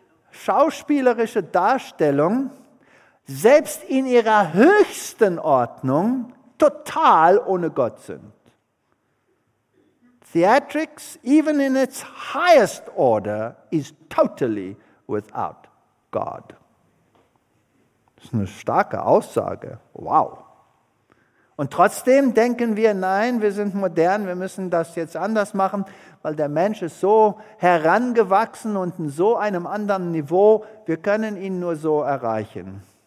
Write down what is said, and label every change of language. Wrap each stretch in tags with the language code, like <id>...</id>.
<de>Schauspielerische Darstellung, selbst in ihrer höchsten Ordnung, total ohne Gott sind.</de> <en>Theatrics, even in its highest order, is totally without God.</en> <de>Das ist eine starke Aussage. Wow. Und trotzdem denken wir, nein, wir sind modern, wir müssen das jetzt anders machen, weil der Mensch ist so herangewachsen und in so einem anderen Niveau, wir können ihn nur so erreichen.</de>